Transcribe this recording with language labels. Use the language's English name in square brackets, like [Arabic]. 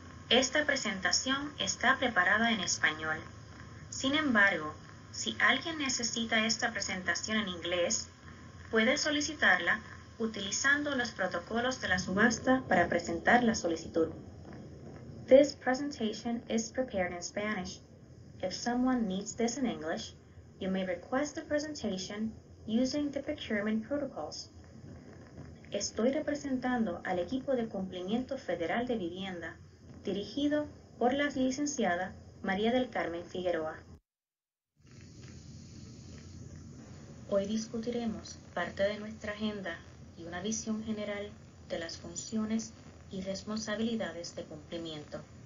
[Spanish] Esta presentación está preparada en español. Sin embargo, si alguien necesita esta presentación en inglés, puede solicitarla utilizando los protocolos de la subasta para presentar la solicitud. [English] This presentation is prepared in Spanish. If someone needs this in English, you may request the presentation using the procurement protocols. [Spanish] Estoy representando al equipo de cumplimiento federal de vivienda, dirigido por la licenciada María del Carmen Figueroa. Hoy discutiremos parte de nuestra agenda y una visión general de las funciones y responsabilidades de cumplimiento.